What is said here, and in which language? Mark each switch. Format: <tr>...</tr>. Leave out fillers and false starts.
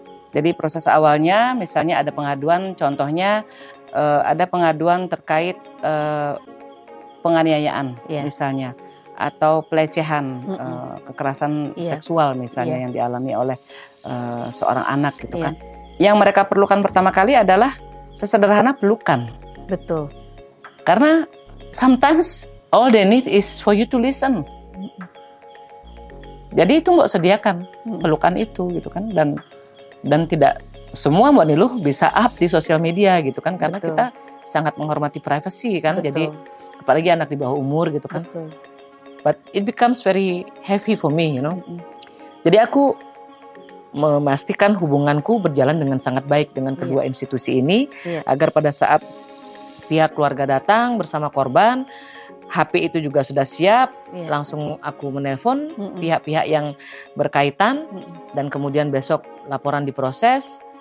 <id>Jadi proses awalnya misalnya ada pengaduan, contohnya ada pengaduan terkait penganiayaan, misalnya atau pelecehan, kekerasan seksual misalnya yang dialami oleh seorang anak gitu kan. Yang mereka perlukan pertama kali adalah sesederhana pelukan. Betul. Karena</id> <en>sometimes all they need is for you to listen.</en> <id>Jadi itu mbak sediakan pelukan itu gitu kan, dan tidak semua mbak Niluh bisa up di sosial media gitu kan, karena kita sangat menghormati privacy kan. Betul. Jadi apalagi anak di bawah umur gitu kan. Betul.</id> <en>But it becomes very heavy for me, you know. Mm-hmm.</en> <id>Jadi aku memastikan hubunganku berjalan dengan sangat baik dengan kedua institusi ini, agar pada saat pihak keluarga datang bersama korban, HP itu juga sudah siap, langsung aku menelpon pihak-pihak yang berkaitan, dan kemudian besok laporan diproses.</id>